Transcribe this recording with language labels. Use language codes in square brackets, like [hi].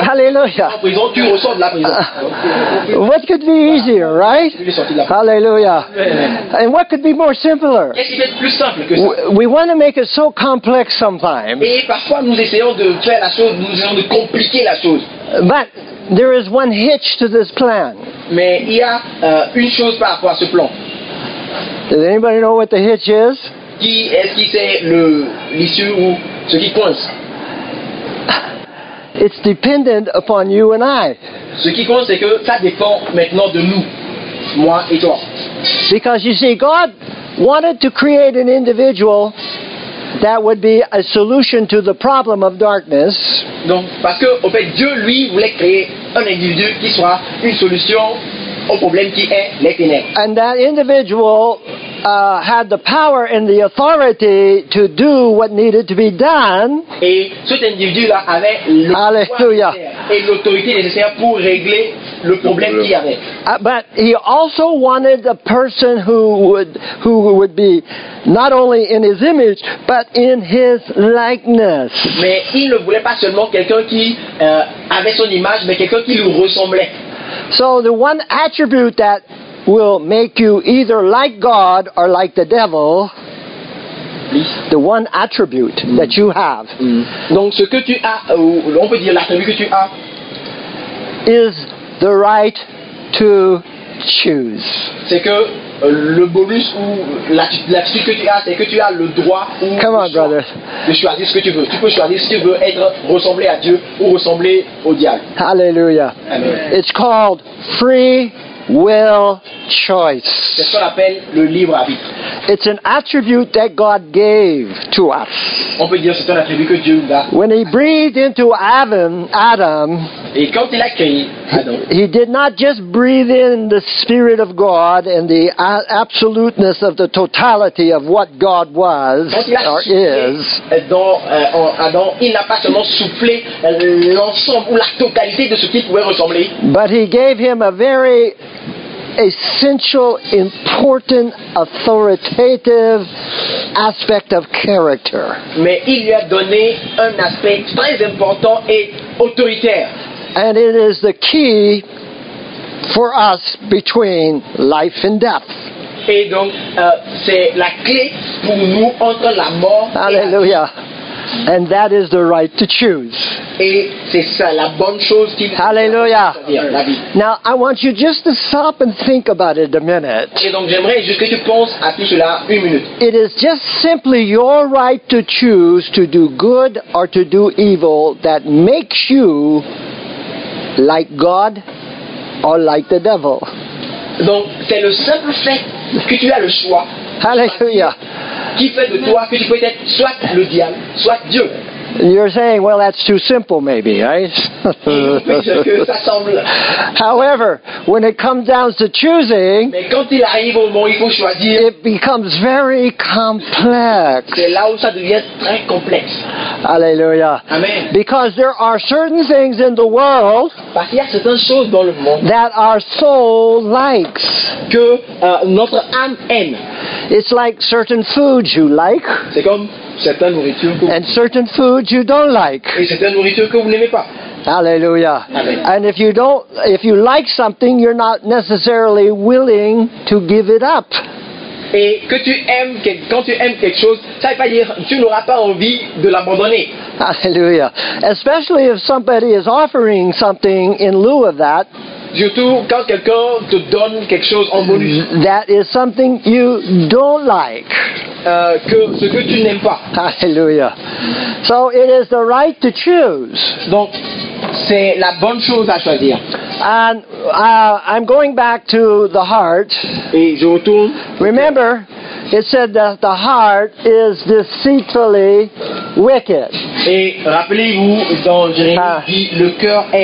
[fr] Alléluia. En prison, tu ressors de la prison. [en] What could be easier, right? Alléluia. And what could be more simpler? [fr] Qu'est-ce qui peut être plus simple que ça? [en] We want to make it so complex sometimes. [fr] Et parfois, nous essayons de faire la chose, nous essayons de compliquer la chose. [en] But there is one hitch to this plan. [fr] Mais il y a une chose par rapport à ce plan. [en] Does anybody know what the hitch is? [fr] Qui est-ce qui sait l'issue ou ce qui coince? [en] It's dependent upon you and I. [fr] Ce qui coince, c'est que ça dépend maintenant de nous, moi et toi. [en] Because you see, God wanted to create an individual that would be a solution to the problem of darkness. [fr] Donc, parce que en fait, Dieu lui voulait créer un individu qui soit une solution au problème qui est les ténèbres. [en] And that individual had the power and the authority to do what needed to be done. [fr] Et cet individu-là avait le [en] Alleluia. [fr] Pouvoir et l'autorité nécessaire pour régler le problème qu'il y avait. [en] But he also wanted a person who would be not only in his image but in his likeness. [fr] Mais il ne voulait pas seulement quelqu'un qui avait son image, mais quelqu'un qui lui ressemblait. [en] So the one attribute that will make you either like God or like the devil. Please. The one attribute that you have. [fr] Donc ce que tu as, on peut dire l'attribut que tu as, [en] is the right to choose. [fr] C'est que le bonus ou l'attitude que tu as, c'est que tu as le droit de choisir ce que tu veux. Tu peux choisir si tu veux être ressemblé à Dieu ou ressembler au diable. [en] Hallelujah. Amen. It's called free will choice. [fr] C'est ce qu'on appelle le libre arbitre. [en] It's an attribute that God gave to us. [fr] On peut dire que c'est un attribut que Dieu nous a. [en] When he breathed into Adam, [fr] et quand il a créé Adam, [en] he did not just breathe in the spirit of God and the absoluteness of the totality of what God was or is. [fr] Dans Adam, il n'a pas seulement soufflé l'ensemble ou la totalité de ce qu'il pouvait ressembler. [en] But he gave him a very essential, important, authoritative aspect of character. [fr] Mais il lui a donné un aspect très important et autoritaire. [en] And it is the key for us between life and death. [fr] Et donc, c'est la clé pour nous entre la mort. [en] Hallelujah. And that is the right to choose. [fr] Et c'est ça, la bonne chose qui [en] Hallelujah. [fr] La vie. [en] Now I want you just to stop and think about it a minute. [fr] Et donc j'aimerais juste que tu penses à tout cela une minute. [en] It is just simply your right to choose to do good or to do evil that makes you like God or like the devil. [fr] Donc c'est le simple fait que tu as le choix. [en] Hallelujah. [fr] Qui fait de toi que tu peux être soit le diable, soit Dieu. [en] You're saying, well, that's too simple, maybe, right? However, when it comes down to choosing, [fr] mais quand il arrive au moment, il faut choisir, [en] it becomes very complex. [fr] C'est là où ça devient très complexe. [en] Hallelujah. Amen. Because there are certain things in the world, [fr] parce qu'il y a certaines choses dans le monde, [en] that are soul likes, [fr] que notre âme aime. [en] It's like certain foods you like. [fr] C'est comme certaines nourritures que [en] and certain foods you don't like. [fr] Et certaines nourritures que vous n'aimez pas. [en] Hallelujah. Amen. And if you like something, you're not necessarily willing to give it up. [fr] Et que tu aimes, quand tu aimes quelque chose, ça veut pas dire tu n'auras pas envie de l'abandonner. [en] Hallelujah. Especially if somebody is offering something in lieu of that. [fr] Surtout quand quelqu'un te donne quelque chose en bonus. [en] That is something you don't like. [fr] Ce que tu n'aimes pas. [en] Hallelujah. So it is the right to choose. [fr] Donc c'est la bonne chose à choisir. [en] And I'm going back to the heart. [fr] Et je retourne. [en] Remember, it said that the heart is deceitfully wicked. [fr] Et rappelez-vous dans Jérémie dit le cœur est.